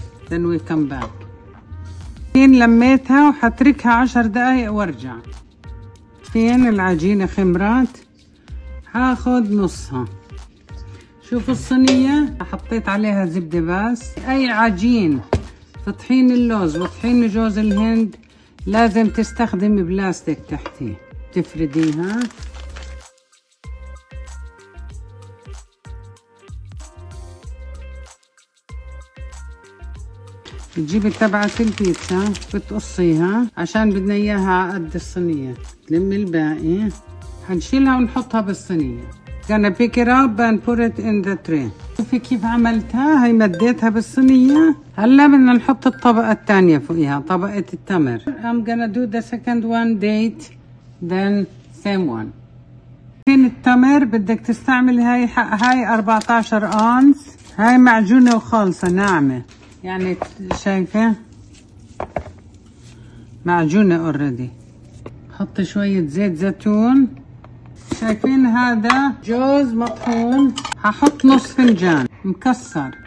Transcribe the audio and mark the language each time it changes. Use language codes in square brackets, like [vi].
[en] Then we come back. [ar] فين لميتها وحتركها 10 دقايق وارجع. فين العجينة خمرات؟ هاخد نصها. شوفوا الصينية، حطيت عليها زبدة بس. أي عجين في طحين اللوز وطحين جوز الهند لازم تستخدمي بلاستيك تحتي. تفرديها. تجيبي تبعة البيتزا بتقصيها عشان بدنا اياها عقد الصينية. تلم الباقي حنشيلها ونحطها بالصينية. [en] gonna pick it up and put it in the tray. [ar] شوفي كيف عملتها، هي مديتها بالصينية. هلا بدنا نحط الطبقة الثانية فوقيها، طبقة التمر. [en] I'm gonna do the second one date then same one. [ar] فين التمر بدك تستعمل هاي حق هاي 14 أونس. هاي معجونة وخالصة ناعمة، يعني شايفة معجونة اوريدي. حطي شوية زيت زيتون. شايفين هذا جوز مطحون، ححط نص فنجان مكسر.